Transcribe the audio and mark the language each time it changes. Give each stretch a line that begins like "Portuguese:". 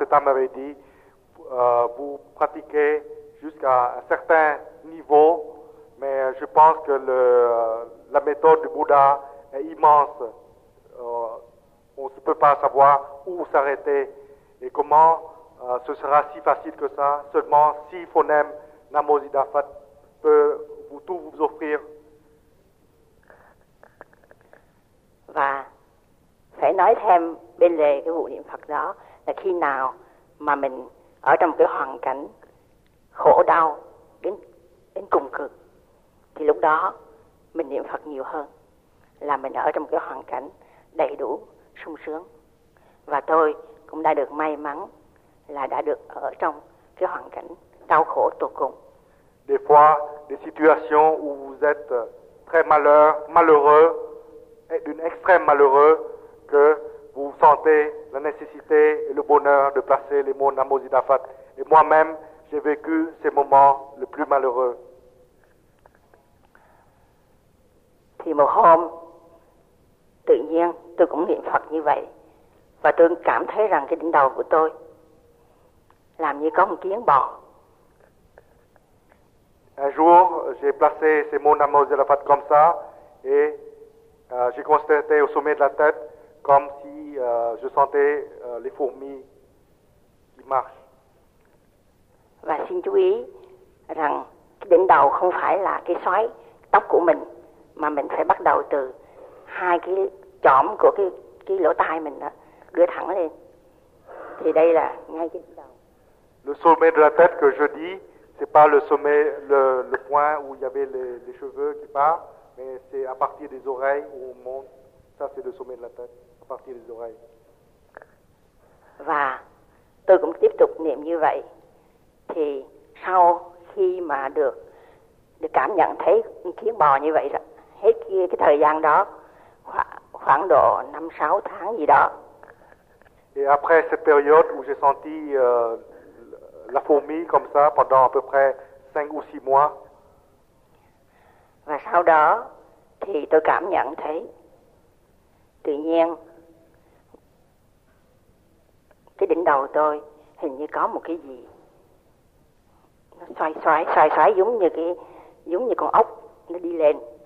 French: Tam m'avait dit, vous pratiquez jusqu'à un certain niveau, mais je pense que la méthode du Bouddha est immense. On ne peut pas savoir où s'arrêter et comment ce sera si facile que ça. Seulement si phonème Namo Amida Phat peut vous tout vous offrir.
Vietnamese: Và phải nói thêm bên lề cái vụ niệm Phật đó là khi nào mà mình ở trong cái hoàn cảnh khổ đau đến cùng cực thì lúc đó mình niệm Phật nhiều hơn là mình ở trong cái hoàn cảnh đầy đủ sung sướng. Và tôi cũng đã được may mắn là đã được ở trong cái hoàn cảnh đau khổ tột cùng.
French: Des fois, des situations où vous êtes très malheureux, d'une extrême malheureux, que vous sentez la nécessité et le bonheur de placer les mots Namo Amida Phat. Et moi-même, j'ai vécu ces moments le plus malheureux.
Vietnamese: Thì một hôm, tự nhiên tôi cũng niệm Phật như vậy, và tôi cảm thấy rằng cái đỉnh đầu của tôi làm như có một kiến bò.
French: Un jour, j'ai placé ces mots Namo Amida Phat comme ça, et j'ai constaté au sommet de la tête comme si je sentais les fourmis qui marchent.
Vietnamese: Và xin chú ý rằng cái đỉnh đầu không phải là cái xoáy tóc của mình, mà mình phải bắt đầu từ hai cái chõm của cái lỗ tai mình đó, đưa thẳng lên. Thì đây là ngay cái đỉnh đầu.
French: Le sommet de la tête que je dis, c'est pas le sommet, le point où il y avait les cheveux qui partent, mais c'est à partir des oreilles où on monte. Ça, c'est le sommet de la tête, à partir des oreilles.
Vietnamese: Và tôi cũng tiếp tục niệm như vậy. Thì sau khi mà được cảm nhận thấy kiến bò như vậy, hết cái thời gian đó, khoảng độ 5-6 tháng gì đó.
French: Et après cette période où j'ai senti la fourmi comme ça pendant à peu près 5 ou 6 mois.
Vietnamese: Và sau đó thì tôi cảm nhận thấy tự nhiên cái đỉnh đầu tôi hình như có một cái gì nó xoay xoáy giống như con ốc nó đi lên.